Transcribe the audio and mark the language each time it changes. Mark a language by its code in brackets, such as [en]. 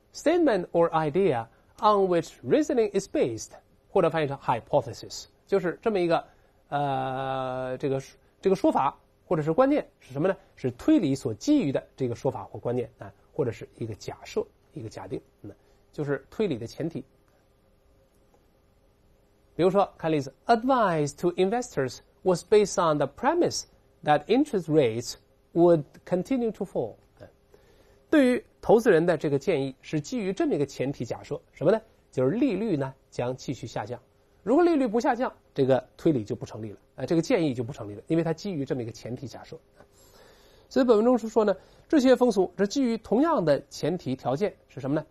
[en] statement or idea on which reasoning is based， [zh] 或者翻译成 hypothesis， 就是这么一个这个说法或者是观念是什么呢？是推理所基于的这个说法或观念啊。或者是一个假设，一个假定，就是推理的前提。比如说，看例子 [en] ，advice to investors was based on the premise that interest rates would continue to fall。 [zh] 对于投资人的这个建议是基于这么一个前提假设，什么呢？就是利率呢将继续下降。如果利率不下降，这个推理就不成立了，这个建议就不成立了，因为它基于这么一个前提假设。所以本文中是说呢，这些风俗是基于同样的前提条件是什么呢？